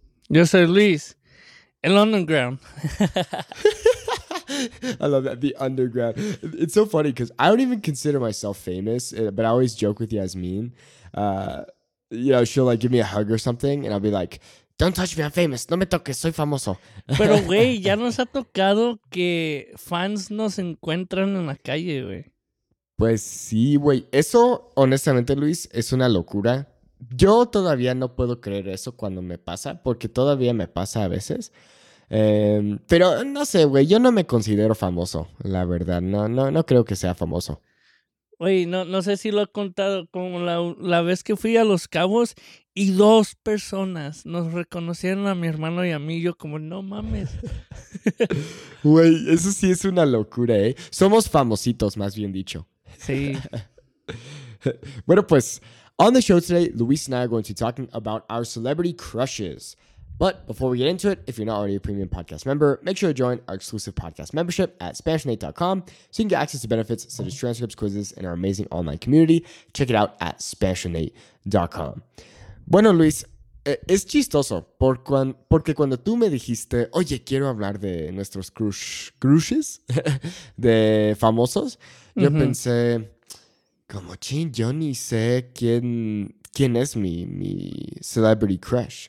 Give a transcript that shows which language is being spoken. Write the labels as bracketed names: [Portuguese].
[Spanish] Yo soy Luis, el underground. [English] I love that, the underground. It's so funny because I don't even consider myself famous, but I always joke with Yasmin. You know, she'll like give me a hug or something and I'll be like, don't touch me, I'm famous. [Spanish] No me toques, soy famoso. Pero, güey, ya nos ha tocado que fans nos encuentran en la calle, güey. Pues sí, güey. Eso, honestamente, Luis, es una locura. Yo todavía no puedo creer eso cuando me pasa, porque todavía me pasa a veces. Pero, no sé, güey, yo no me considero famoso, la verdad. No creo que sea famoso. Güey, no sé si lo he contado, como la vez que fui a Los Cabos y dos personas nos reconocieron a mi hermano y a mí, yo como, no mames. Güey, eso sí es una locura, ¿eh? Somos famositos, más bien dicho. Sí. [English] Bueno, pues, on the show today, Luis and I are going to be talking about our celebrity crushes. But before we get into it, if you're not already a premium podcast member, make sure to join our exclusive podcast membership at SpanishNate.com so you can get access to benefits such as transcripts, quizzes, and our amazing online community. Check it out at SpanishNate.com. [Spanish] Bueno, Luis, es chistoso porque cuando tú me dijiste, oye, quiero hablar de nuestros crushes de famosos, yo pensé, como chin, yo ni sé ¿Quién es mi celebrity crush?